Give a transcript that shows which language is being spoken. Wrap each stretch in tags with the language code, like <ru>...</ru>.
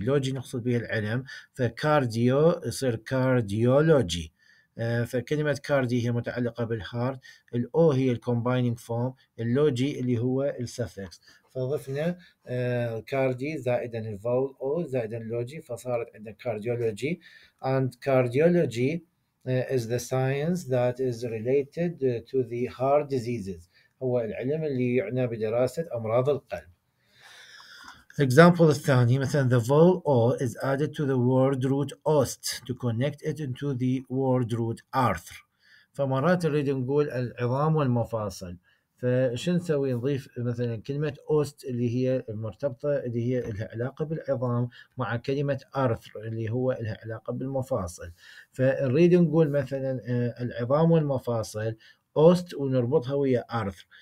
<ar>لوجي نقصد به العلم. فكارديو يصير كارديولوجي. فكلمة كاردي هي متعلقة بالهارت. الاو هي الكومبايننج فورم. اللوجي اللي هو السفكس. فضفنا كاردي زائدا الفول او زائدا لوجي فصارت عندنا كارديولوجي.</ar> <en>And cardiology is the science that is related to the heart diseases.</en> <ar>هو العلم اللي يعنى بدراسة أمراض القلب.</ar> <en>Example</en> <ar>الثاني مثلا</ar> <en>the vowel O is added to the word root ost to connect it into the word root arthr.</en> <ar>فمرات نريد نقول العظام والمفاصل. فشو نسوي؟ نضيف مثلا كلمة أوست اللي هي المرتبطة اللي هي لها علاقة بالعظام مع كلمة أرثر اللي هو لها علاقة بالمفاصل. فنريد نقول مثلا العظام والمفاصل أوست ونربطها ويا أرثر.</ar>